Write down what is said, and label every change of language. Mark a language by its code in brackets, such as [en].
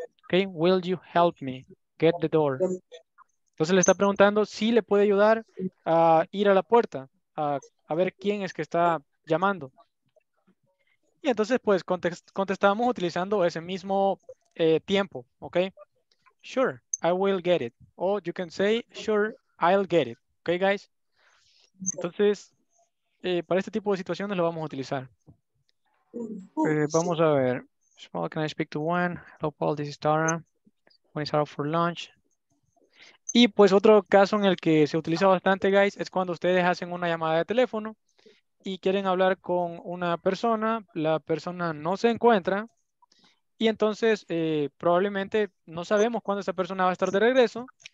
[en] Okay, will you help me get the door? [es] Entonces le está preguntando si le puede ayudar a ir a la puerta, a ver quién es que está llamando. Y entonces, pues, contestamos utilizando ese mismo tiempo, ¿ok? [en] Sure, I will get it. O you can say, sure, I'll get it. ¿Ok, guys? [es] Entonces, para este tipo de situaciones lo vamos a utilizar. Vamos a ver. [en] Small, can I speak to one? Hello, Paul, this is Tara. When is out for lunch? [es] Y pues otro caso en el que se utiliza bastante, guys, es cuando ustedes hacen una llamada de teléfono y quieren hablar con una persona, la persona no se encuentra y entonces probablemente no sabemos cuándo esa persona va a estar de regreso.